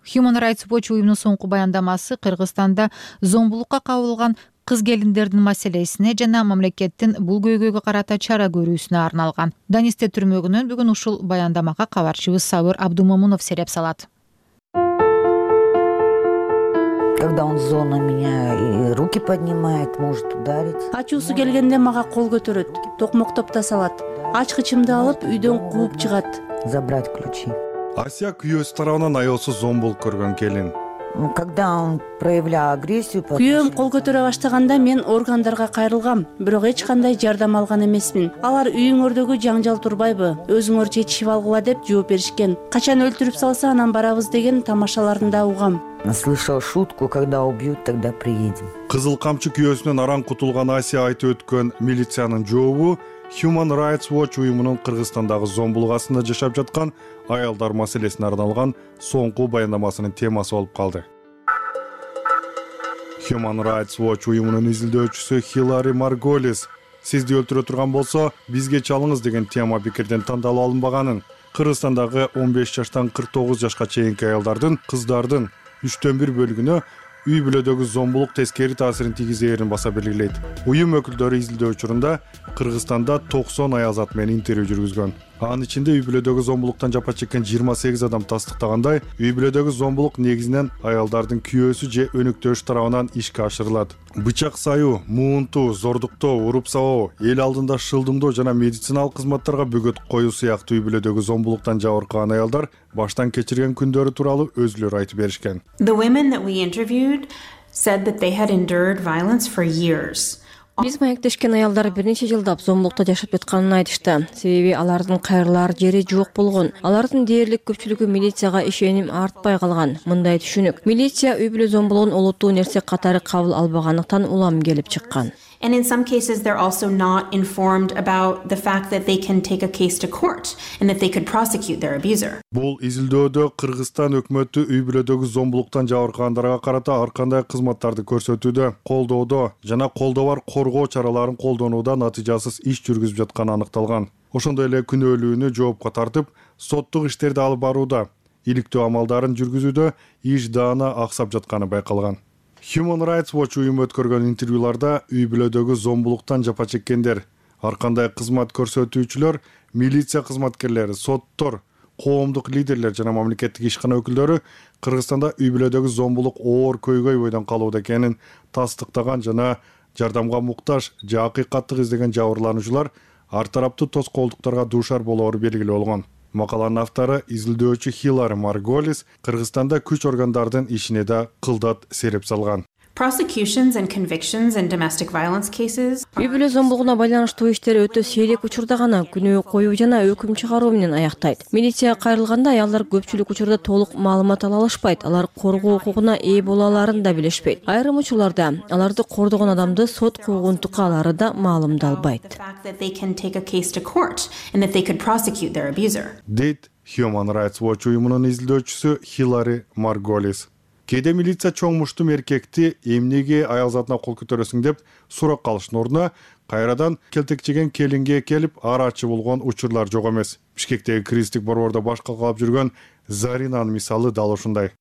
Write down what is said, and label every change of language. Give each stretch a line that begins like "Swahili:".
Kyrgyz: Human Rights Watch уюмунун соңку баяндамасы Кыргызстанда зомбулукка кабылган кыз келиндердин маселесине жана мамлекеттин бул көйгөйгө карата чара көрүүсүнө арналган. Данисте түрмөгүнөн бүгүн ушул баяндамага кабарчыбыз Сабыр Абдумомунов серп салат.
Russian: Когда он зол на меня и руки поднимает, может ударить.
Kyrgyz: Ачуусу келгенде мага кол көтөрөт, токмоктоп та салат. Ачкычымды алып үйдөн кууп чыгат.
Russian: Забрать ключи.
Kyrgyz: Ася күйөөсү тарабынан аялсыз зомбулук көргөн келин.
Russian: Когда он проявлял агрессию,
Kyrgyz: күйөөм кол көтөрө баштаганда мен органдарга кайрылгам, бирок эч кандай жардам алган эмесмин. Алар үйүңөрдөгү жаңжал турбайбы, өзүңөр чечишип алгыла деп жооп беришкен. Качан өлтүрүп салса анан барабыз деген тамашаларында угам.
Russian: Наслышал шутку, когда убьют, тогда приедем.
Kyrgyz: Кызыл камчы күйөөсүнөн аран кутулган Ася айтып өткөн милициянын жообу Human Rights Watch уюмунун Кыргызстандагы зомбулук астында жашап жаткан аялдар маселесине арналган соңку баяндамасынын темасы болуп калды. Human Rights Watch уюмунун изилдөөчүсү Хилари Марголис: сизди өлтүрө турган болсо, бизге чалыңыз деген тема пикирден тандалып алынбаганын, Кыргызстандагы 15 жаштан 49 жашка чейинки аялдардын, кыздардын 1/3 бөлүгүнө үй бүлөдөгү зомбулук тескери таасирин тийгизээрин баса белгилейт. Уюм өкүлдөрү изилдөө учурунда Кыргызстанда 90 аял зат менен интервью жүргүзгөн. Анын ичинде үй бүлөдөгү зомбулуктан жапа чеккен 28 адам тастыктагандай, үй бүлөдөгү зомбулук негизинен аялдардын күйөөсү же өнөктөшү тарабынан ишке ашырылат. Бычак саюу, муунтуу, зордуктоо, уруп сабоо, эл алдында шылдыңдоо жана медициналык кызматтарга бөгөт коюу сыяктуу үй бүлөдөгү зомбулуктан жабыркаган аялдар баштан кечирген күндөрү тууралуу өзүлөрү айтып беришкен.
English: The women that we interviewed said that they had endured violence for years.
Kyrgyz: Биз маектешкен аялдар бир нече жылдап зомбулукта жашап жатканын айтышты. Себеби алардын кайрылар жери жок болгон. Алардын дээрлик көпчүлүгү милицияга ишеним артпай калган. Мындай түшүнүк. Милиция үй бүлө зомбулугун олуттуу нерсе катары кабыл албагандыктан улам келип чыккан.
English: And in some cases they're also not informed about the fact that they can take a case to court and that they could prosecute their abuser.
Kyrgyz: Бул изилдөөдө Кыргызстан өкмөтү үй бүлөдөгү зомбулуктан жабыркагандарга карата ар кандай кызматтарды көрсөтүүдө, колдоодо жана колдоор коргоо чараларын колдонууда натыйжасыз иш жүргүзүп жатканы аныкталган. Ошондой эле күнөөлүүнү жоопко тартып, соттук иштерди алып барууда, иликтөө амалдарын жүргүзүүдө иш даана аксап жатканы байкалган. Human Rights Watch уюму өткөргөн интервьюларда үй бүлөдөгү зомбулуктан жапа чеккендер, ар кандай кызмат көрсөтүүчүлөр, милиция кызматкерлери, соттор, коомдук лидерлер жана мамлекеттик ишкана өкүлдөрү Кыргызстанда үй бүлөдөгү зомбулук оор көйгөй бойдон калууда экенин тастыктаган жана жардамга муктаж же акыйкаттык издеген жабырлануучулар ар тараптуу тоскоолдуктарга дуушар болоору белгилүү болгон. Макаланын автору изилдөөчү Хилари Марголис Кыргызстанда күч органдардын ишине да кылдат серп салган.
English: Prosecutions and convictions in domestic violence cases.
Kyrgyz: Үй бүлө зомбулугуна байланыштуу иштер өтө сейрек учурда гана күнөө коюу жана өкүм чыгаруу менен аяктайт. Милицияга кайрылганда аялдар көпчүлүк учурда толук маалымат ала алышпайт, алар коргоо укугуна ээ болаларын да билишпейт. Айрым учурларда аларды кордогон адамды сот куугунтукка алары да маалымдалбайт.
English: They can take a case to court and that they could prosecute their abuser.
Kyrgyz: Дейт Human Rights Watch уюмунун изилдөөчүсү Хилари Марголис. Кээде милиция чоң муштум эркекти эмнеге аял затына кол көтөрөсүң деп суроо калышынын ордуна кайрадан келтекчеген келинге келип арачы болгон учурлар жок эмес. Бишкектеги кризистик борборда башка калып жүргөн Заринанын мисалы дал ушундай.